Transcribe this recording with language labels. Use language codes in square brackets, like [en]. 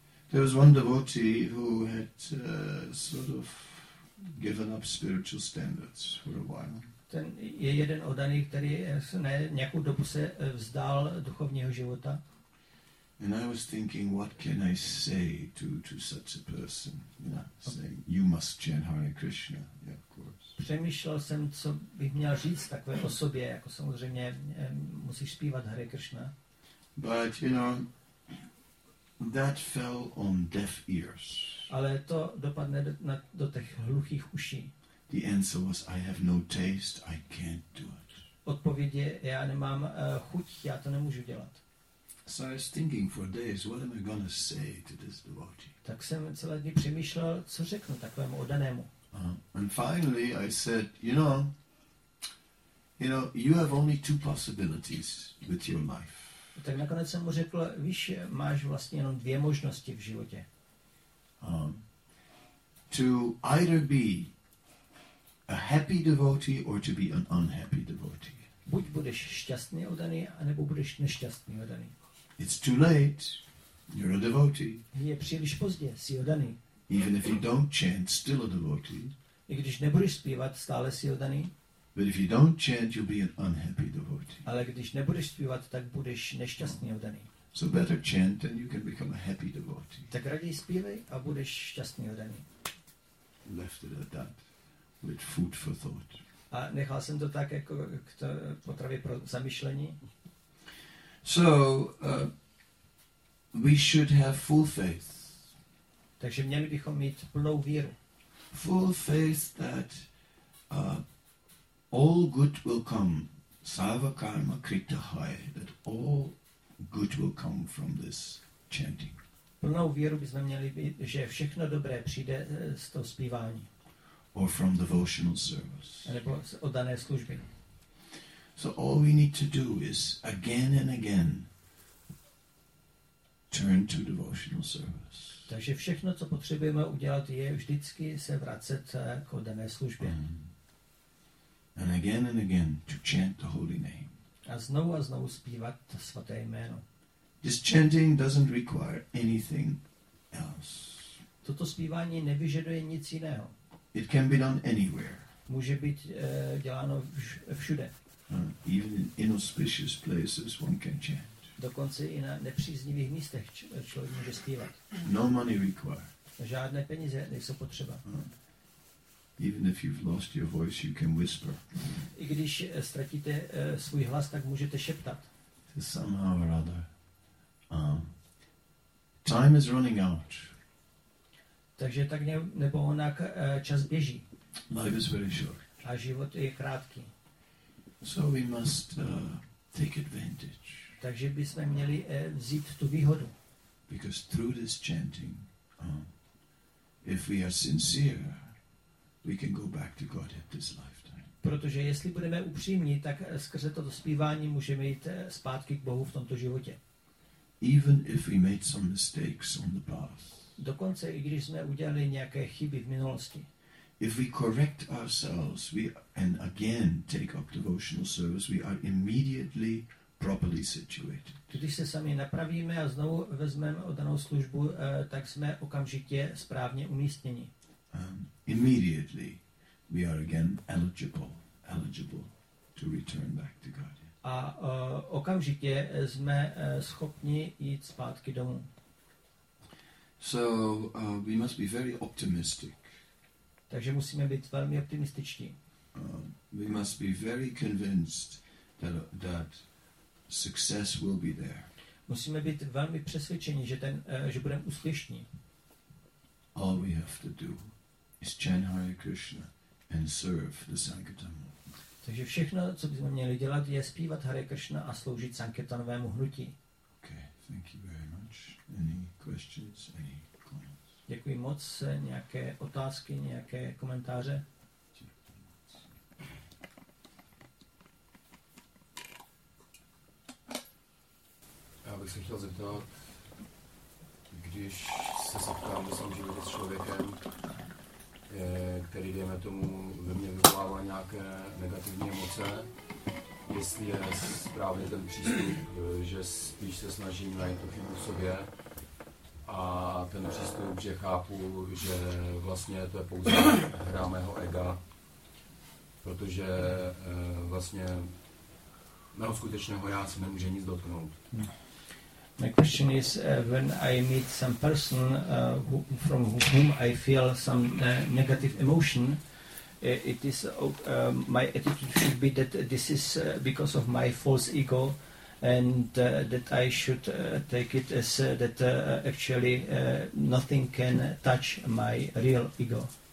[en] There was one devotee who had sort of given up spiritual standards for a while. [cs] Ten je jeden oddaný, který ne nějakou dobu se vzdal duchovního života. [en] And I was thinking, what can I say to such a person? You know, saying you must chant Hare Krishna. Yeah, of course. [cs] Přemýšlel jsem, co bych měl říct takové osobě, jako samozřejmě musíš zpívat Hare Krishna. [en] But you know, that fell on deaf ears. [cs] Ale to dopadne do těch hluchých uší. [en] The answer was, I have no taste, I can't do it. [cs] Odpověď je, já nemám chuť, já to nemůžu dělat. [en] So I was thinking for days, what am I going to say to this devotee? [cs] Tak jsem celé dny přemýšlel, co řeknu takovému oddanému. [en] And finally I said, you know, you have only two possibilities with your life. [cs] Tak nakonec jsem mu řekl, víš, máš vlastně jenom dvě možnosti v životě. [en] To either be a happy devotee or to be an unhappy devotee. [cs] Buď budeš šťastný oddaný, anebo budeš nešťastný oddaný. [en] It's too late. You're a devotee. [cs] Je příliš pozdě, jsi oddaný. [en] Even if you don't chant, still a devotee. [cs] I když nebudeš zpívat, stále jsi oddaný. [en] But if you don't chant, you'll be an unhappy devotee. [cs] Ale když nebudeš zpívat, tak budeš nešťastný oddaný. [en] So better chant and you can become a happy devotee. [cs] Tak raději zpívej a budeš šťastný oddaný. [en] Left it at that, with food for thought. [cs] A nechal jsem to tak jako k to potravě pro zamyšlení. [en] So we should have full faith. [cs] Takže měli bychom mít plnou víru. [en] Full faith that all good will come. [sa] Sarva karma krita hai, [en] that all good will come from this chanting. [cs] Plnou víru bychom měli být, že všechno dobré přijde z toho zpívání. [en] Or from devotional service. [cs] Nebo z oddané služby. [en] So all we need to do is again and again turn to devotional service. [cs] Takže všechno, co potřebujeme udělat, je vždycky se vracet k oddané službě. [en] And again and again to chant the holy name. [cs] A znovu zpívat svaté jméno. [en] This chanting doesn't require anything else. [cs] Toto zpívání nevyžaduje nic jiného. [en] It can be done anywhere. [cs] Může být děláno všude. [en] Even in inauspicious places one can chant. [cs] Dokonce i na nepříznivých místech člověk může zpívat. [en] No money required. [cs] Žádné peníze nejsou potřeba. [en] Even if you've lost your voice, you can whisper. [cs] I když ztratíte svůj hlas, tak můžete šeptat. [en] Somehow or other. Time is running out. [cs] Takže tak nebo onak čas běží. [en] Life is very short. [cs] A život je krátký. [en] So we must take advantage. [cs] Takže bychom měli vzít tu výhodu. [en] Because through this chanting, if we are sincere, we can go back to Godhead this lifetime. [cs] Protože jestli budeme upřímní, tak skrze toto zpívání můžeme jít zpátky k Bohu v tomto životě. [en] Even if we made some mistakes on the path. [cs] Dokonce i když jsme udělali nějaké chyby v minulosti. [en] If we correct ourselves, and again take up devotional service, we are immediately properly situated. [cs] Když se sami napravíme a znovu vezmeme oddanou službu, tak jsme okamžitě správně umístěni. [en] Immediately we are again eligible to return back to God. [cs] A okamžitě jsme schopni jít zpátky domů. [en] So we must be very optimistic. [cs] Takže musíme být velmi optimističtí. [en] We must be very convinced that success will be there. [cs] Musíme být velmi přesvědčeni, že budeme úspěšní. [en] All we have to do is chant Hare Krishna and serve the Sankirtanam. [cs] Takže všechno, co bychom měli dělat, je zpívat Hare Krishna a sloužit Sankirtanovému hnutí. [en] Okay, thank you very much. Any questions? Any? [cs] Děkuji moc. Nějaké otázky, nějaké komentáře? Já bych se chtěl zeptat, když se setkám ve svém životě s člověkem, který, dejme tomu, ve mně vyvolává nějaké negativní emoce, jestli je správně ten přístup, že spíš se snažím najít to chybu v sobě, a ten přístup, že chápu, že vlastně to je pouze hra mého ega, protože vlastně mého skutečného já se nemůže nic dotknout. [en] My question is when I meet some person from whom I feel some negative emotion, it is my attitude should be that this is because of my false ego, and that I should take it as that actually nothing can touch my real ego.